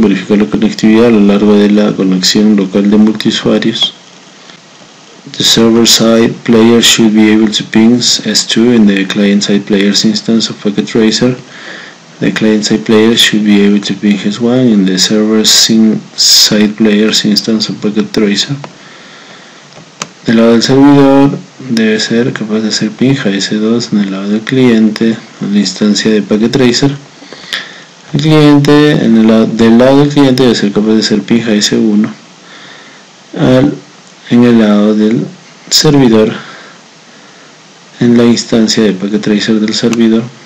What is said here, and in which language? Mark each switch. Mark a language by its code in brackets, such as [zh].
[es] Verifica la conectividad a lo largo de la conexión local de multiusuarios. [en] The server side player should be able to ping S2 in the client side player's instance of Packet Tracer. The client-side player should be able to ping S1 in the server-side player's instance of Packet Tracer. [es] Del lado del servidor, debe ser capaz de hacer ping a S2 en el lado del cliente, en la instancia de Packet Tracer. El cliente, en el lado, del lado del cliente, debe ser capaz de hacer ping a S1 en el lado del servidor, en la instancia de Packet Tracer del servidor.